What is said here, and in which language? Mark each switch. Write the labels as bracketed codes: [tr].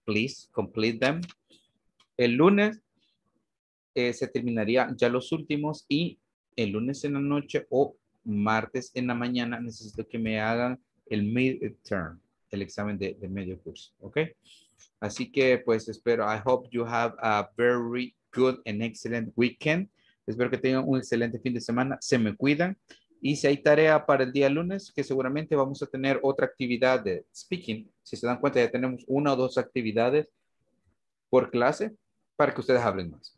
[en] Please, complete them. [es] El lunes se terminaría ya los últimos. Y el lunes en la noche o martes en la mañana necesito que me hagan el midterm, el examen de medio curso. ¿Okay? Así que pues espero. [en] I hope you have a very good and excellent weekend. [es] Espero que tengan un excelente fin de semana. Se me cuidan. Y si hay tarea para el día lunes, que seguramente vamos a tener otra actividad de speaking. Si se dan cuenta, ya tenemos 1 o 2 actividades por clase para que ustedes hablen más.